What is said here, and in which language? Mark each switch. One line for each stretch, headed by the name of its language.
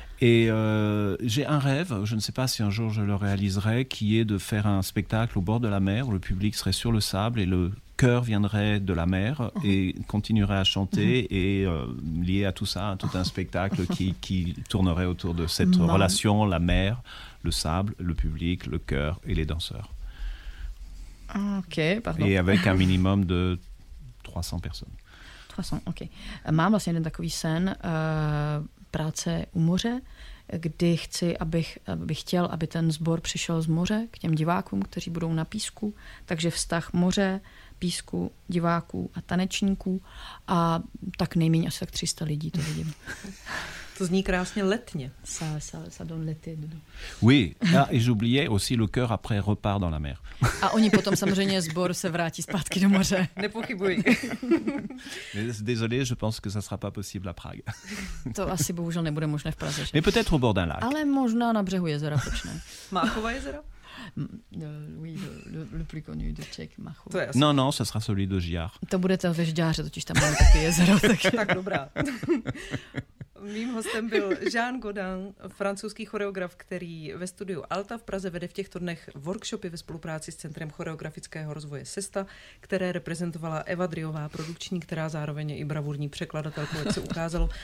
French: Et j'ai un rêve, je ne sais pas si un jour je le réaliserai, qui est de faire un spectacle au bord de la mer où le public serait sur le sable et le cœur viendrait de la mer et continuerait à chanter et lié à tout ça, à tout un spectacle qui tournerait autour de cette relation, la mer, le sable, le public, le cœur et les danseurs. Ok, pardon. Et avec un minimum de 300 personnes. 300, ok.
Czech: Mám vlastně jeden takový sen, práce u moře, kdy chci, abych chtěl, aby ten sbor přišel z moře k těm divákům, kteří budou na písku, takže vztah moře, písku, diváků a tanečníků, a tak nejméně asi tak 300 lidí to vidím. To zní krásně letně.
French: Ça donne l'été. Oui, et j'oubliais aussi, le cœur après repart dans la mer.
Czech: A oni potom samozřejmě sbor se vrátí zpátky do moře. Nepochybuji.
French: Désolé, je pense que ça sera pas possible à Prague.
Czech: To asi bohužel nebude možné v Praze.
French: Mais peut-être au bord d'un lac.
Czech: Ale možná na břehu jezera počne. Máchova jezera?
French: Oui, le plus connu de Czech, Machu. Non, ce sera celui de Giard.
Czech: To bude to ve Žďáře, totiž tam máme taky jezero. Tak, tak dobrá. Mým hostem byl Jean Godin, francouzský choreograf, který ve studiu Alta v Praze vede v těchto dnech workshopy ve spolupráci s Centrem choreografického rozvoje SESTA, které reprezentovala Eva Driová, produkční, která zároveň je i bravurní překladatelka, jak se ukázalo.